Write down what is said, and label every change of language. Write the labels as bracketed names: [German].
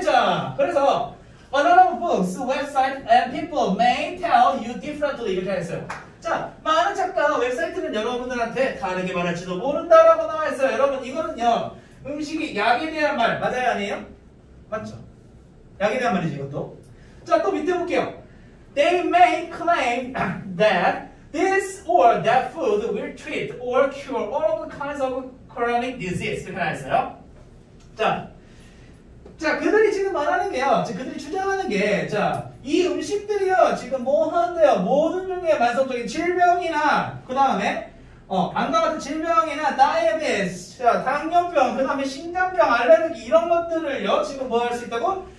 [English] 자, 그래서 A lot of books, websites, and people may tell you differently. [Korean] 이렇게 했어요. 자, 많은 작가 웹사이트는 여러분들한테 다르게 말할지도 모른다 라고 나와있어요. 여러분 이거는요 음식이 약에 대한 말 맞아요 아니에요? 맞죠? 약에 대한 말이지 이것도. 자, 또 밑에 볼게요. [English] They may claim that this or that food will treat or cure all of the kinds of chronic disease. [Korean] 이렇게 나와있어요. 자, 그들이 지금 말하는 게요, 그들이 주장하는 게, 자, 이 음식들이요, 지금 뭐 하는데요, 모든 종류의 만성적인 질병이나, 그 다음에, 암과 같은 질병이나, 다이어트, 자, 당뇨병, 그 다음에 신장병, 알레르기, 이런 것들을요, 지금 뭐 할 수 있다고?